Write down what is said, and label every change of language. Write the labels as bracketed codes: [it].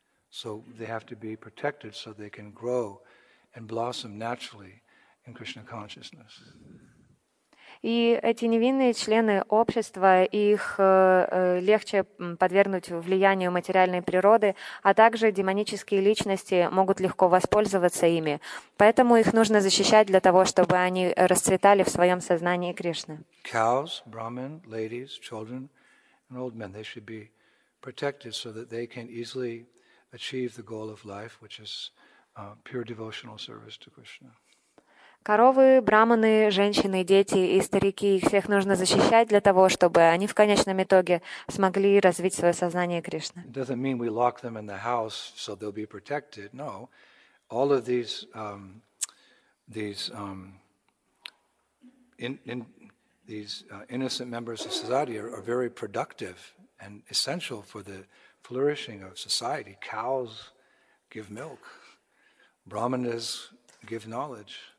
[en] So they have to be protected so they can grow and blossom naturally in Krishna consciousness. [ru] И эти невинные члены общества, их легче подвергнуть влиянию материальной природы, а также демонические личности могут легко воспользоваться ими. Поэтому их нужно защищать для того, чтобы они расцветали в своем сознании Кришны. [en] Cows, Brahmin, ladies, children, and old men, they should be protected so that they can easily achieve the goal of life, which is pure devotional service to Krishna. [ru] Коровы, браманы, женщины, дети и старики, их всех нужно защищать для того, чтобы они в конечном итоге смогли развить свое сознание Кришны. [en] It doesn't mean we lock them in the house so they'll be protected. No, all of these innocent members of society are very productive and essential for the flourishing of society. Cows give milk. Brahmanas give knowledge.